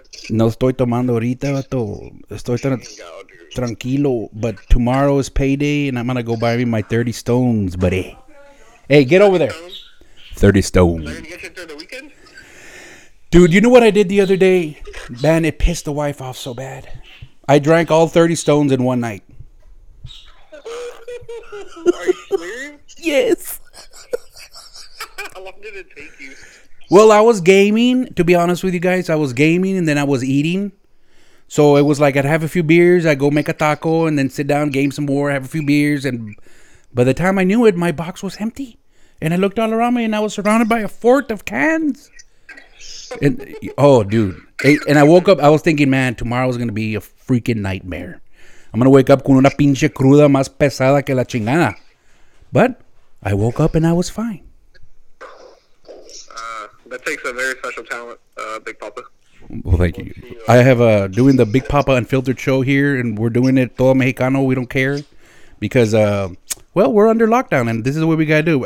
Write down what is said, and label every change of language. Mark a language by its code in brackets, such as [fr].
[es] No estoy tomando ahorita, bato. Estoy tranquilo, [en] but tomorrow is payday, and I'm going to go buy me my 30 stones, buddy. Hey, get over there. 30 stones. Are you going to get you through the weekend? Dude, you know what I did the other day? Man, it pissed the wife off so bad. I drank all 30 stones in one night. Are you serious? Yes. How long did it take you? Well, I was gaming, to be honest with you guys. I was gaming and then I was eating. So it was like I'd have a few beers, I'd go make a taco and then sit down, game some more, have a few beers. And by the time I knew it, my box was empty. And I looked all around me and I was surrounded by a fort of cans. And oh, dude. And I woke up, I was thinking, man, tomorrow's going to be a freaking nightmare. I'm going to wake up [es] con una pinche cruda más pesada que la chingada. [en] But I woke up and I was fine. That takes a very special talent, Big Papa. Well, thank you. I have doing the Big Papa Unfiltered show here, and we're doing it [es] todo mexicano. [en] We don't care because, well, we're under lockdown, and this is what we got to do.